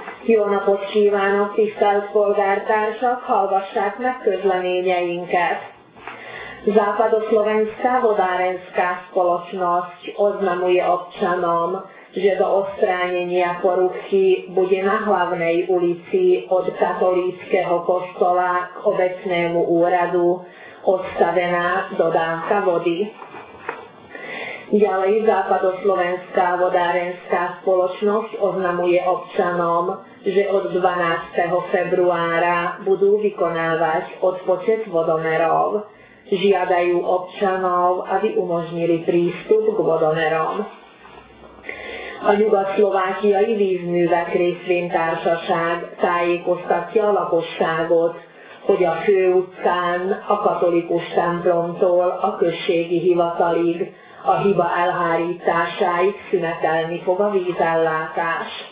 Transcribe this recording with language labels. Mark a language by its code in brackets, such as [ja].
[hu] Jóna počívano, tisztelt polgártársak, hallgassák meg közleményeinket. [sk] Západoszlovenská vodárenská spoločnosť oznamuje občanom, že do odstránenia poruchy bude na hlavnej ulici od katolíckého kostola k obecnému úradu odstavená dodávka vody. Ďalej Západoslovenská vodárenská spoločnosť oznamuje občanom, že od 12. februára budú vykonávať odpočet vodomerov. Žiadajú občanov, aby umožnili prístup k vodomerom. [hu] A Nyugat-Szlovákiai Vízművek Részvénytársaság tájékoztatja a lakosságot, hogy a főutcán, a katolikus templomtól a községi hivatalig a hiba elhárításáig szünetelni fog a vízellátás.